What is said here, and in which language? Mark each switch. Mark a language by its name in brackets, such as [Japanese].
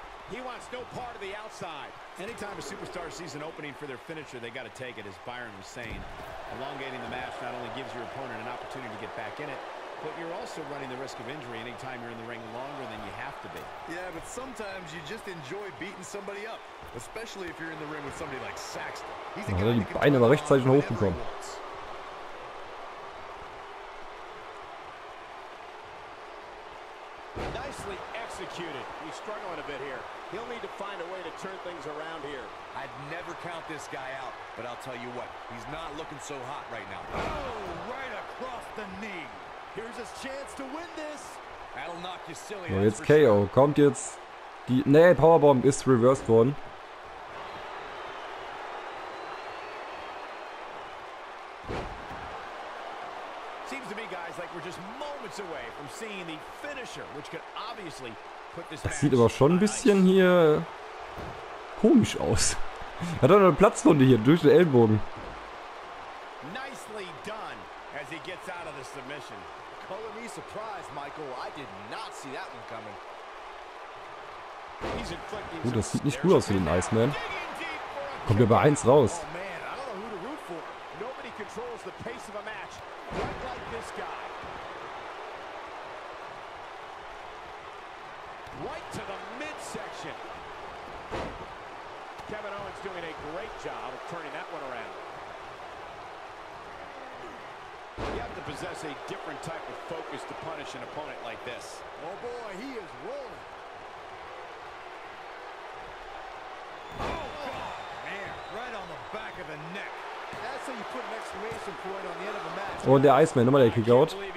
[English] He wants no part of the outside. Anytime a superstar sees an opening for their finisher, they got to take it, as Byron was saying. Elongating the match not only gives your opponent an opportunity to get back in it, but you're also running the risk of injury anytime you're in the ring longer than you have to be. Yeah, but sometimes you just enjoy beating somebody up, especially if you're in the ring with somebody like Saxton. He's got [German] die Beine aber rechtzeitig hochbekommen. [English] Nicely executed. He's struggling a bit here. He'll need to find a way to turn things around here. I'd never count this guy out, but I'll tell you what, he's not looking so hot right now. Oh, right across the knee. Here's his chance to win this. That'll knock you silly. [German] Oh, jetzt KO. Kommt jetzt die. Nee, Powerbomb ist reversed worden. [English] Seems to me, guys, like we're just moments away from seeing the finisher, which could obviously. [German] Das sieht aber schon ein bisschen hier komisch aus. Er hat auch noch eine Platzwunde hier durch den Ellbogen. [English] Nicely done, as he gets out of the submission. Calling me surprised, Michael. I did not see that one coming. [German] Oh, das sieht nicht gut aus für den Iceman. Kommt er bei 1 raus. [English] Oh man, I don't know who to root for. Nobody controls the pace of a match. Right like this guy. right to the midsection. Kevin Owens doing a great job of turning that one around. You have to possess a different type of focus to punish an opponent like this. Oh boy, he is rolling. [German] Oh, und der Iceman, nochmal der Kickout.